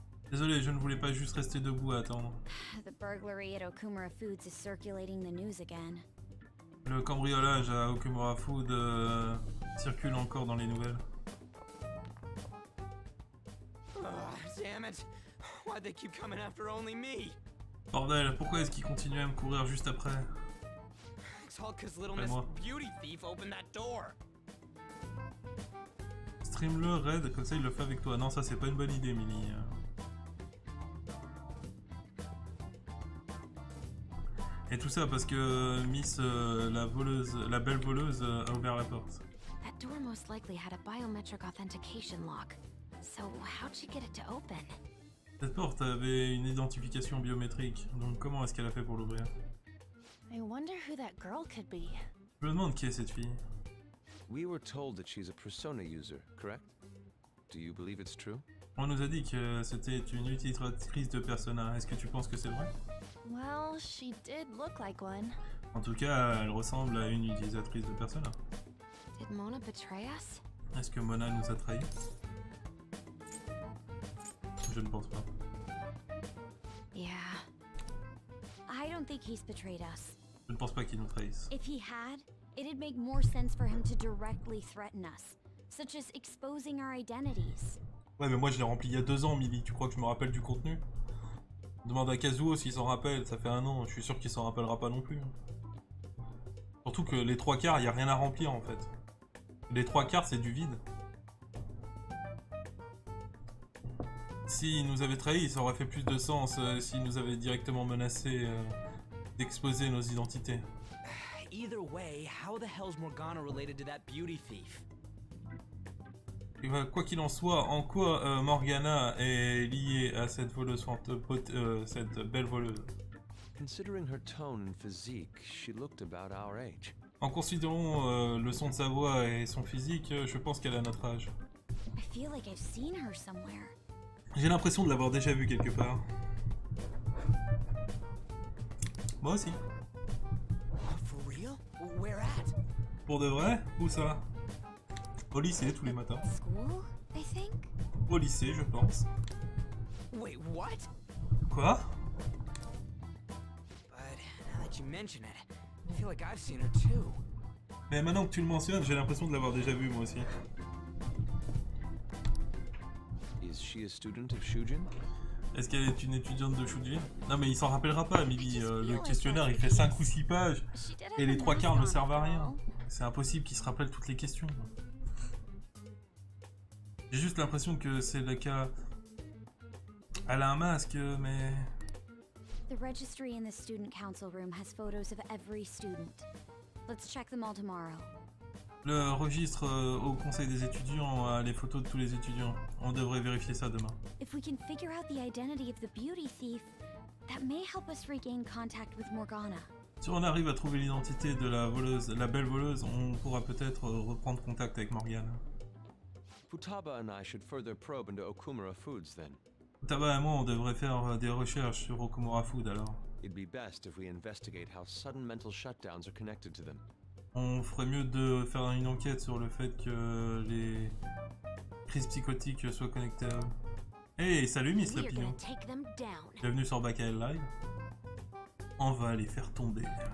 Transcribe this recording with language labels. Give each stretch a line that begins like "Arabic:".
French: Désolé, je ne voulais pas juste rester debout à attendre.
English: The burglary at Okumura Foods is circulating the news again.
French: Le cambriolage à Okumura Food circule encore dans les nouvelles.
English: Oh, damn it. Why they keep coming after only me?
French: Bordel, pourquoi est-ce qu'ils continuent à me courir juste après?
English: It's all 'cause little Miss Beauty Thief opened that door.
French: Stream-le, Red, comme ça il le fait avec toi. Non, ça c'est pas une bonne idée, Milly. Et tout ça parce que Miss, la voleuse, la belle voleuse, a ouvert la porte.
English: That door most likely had a biometric authentication lock. So how'd she get it to open?
French: Cette porte avait une identification biométrique. Donc comment est-ce qu'elle a fait pour l'ouvrir?
English: I wonder who that girl could be.
French: Je me demande qui est cette fille.
English: We were told that she's a persona user, correct? Do you believe it's true?
French: On nous a dit que c'était une utilisatrice de persona. Est-ce que tu penses que c'est vrai?
English: Well, she did look like one.
French: En tout cas, elle ressemble à une utilisatrice de Persona.
English: Did Mona betray us?
French: Est-ce que Mona nous a trahis? je ne pense pas.
English: Yeah. I don't think he's betrayed us.
French: Je ne pense pas qu'il nous trahisse.
English: If he had, it'd make more sense for him to directly threaten us, such as exposing our identities.
French: Ouais, mais moi je l'ai rempli il y a 2 ans, Milly. Tu crois que je me rappelle du contenu? Demande à Kazuo s'il s'en rappelle, ça fait 1 an, je suis sûr qu'il s'en rappellera pas non plus. Surtout que les 3/4, y'a rien à remplir en fait. Les 3/4, c'est du vide. S'il nous avait trahis, ça aurait fait plus de sens s'il nous avait directement menacé d'exposer nos identités.
English: Either way, how the hell's Morgana related to that beauty thief?
French: Quoi qu'il en soit, en quoi Morgana est liée à cette voleuse, cette belle voleuse?
English: Considering her tone and physique, she looked about our age.
French: En considérant le son de sa voix et son physique, je pense qu'elle est à notre âge.
English: I feel like I've seen her somewhere.
French: J'ai l'impression de l'avoir déjà vue quelque part. Moi aussi.
English: For real? Where at?
French: Pour de vrai? Où ça? Au lycée tous les matins.
English: School, I think?
French: Au lycée, je pense.
English: Wait, what?
French: Quoi?
English: But now that you mention it, I feel like I've seen her too.
French: Mais maintenant que tu le mentionnes, j'ai l'impression de l'avoir déjà vue moi aussi.
English: Is she a student of Shujin?
French: Est-ce qu'elle est une étudiante de Shujin? Non mais il s'en rappellera pas, Milly. Le questionnaire il fait 5 ou 6 pages et les 3/4 ne servent à rien. C'est impossible qu'il se rappelle toutes les questions. J'ai juste l'impression que c'est le cas. Elle a un masque, mais.
English: The registry in the student council room has photos of every student. Let's check them all tomorrow.
French: Le registre au conseil des étudiants a les photos de tous les étudiants. On devrait vérifier ça demain.
English: If we can figure out the identity of the beauty thief, that may help us regain contact with Morgana.
French: Si on arrive à trouver l'identité de la voleuse, la belle voleuse, on pourra peut-être reprendre contact avec Morgana.
English: Futaba and I should further probe into Okumura Foods then.
French: Futaba et moi, on devrait faire des recherches sur Okumura Food alors.
English: It'd be best if we investigate how sudden mental shutdowns are connected to them.
French: On ferait mieux de faire une enquête sur le fait que les crises psychotiques soient connectées à eux. Hey, salut Miss Lapignon. Bienvenue sur Bacal Live. On va les faire tomber.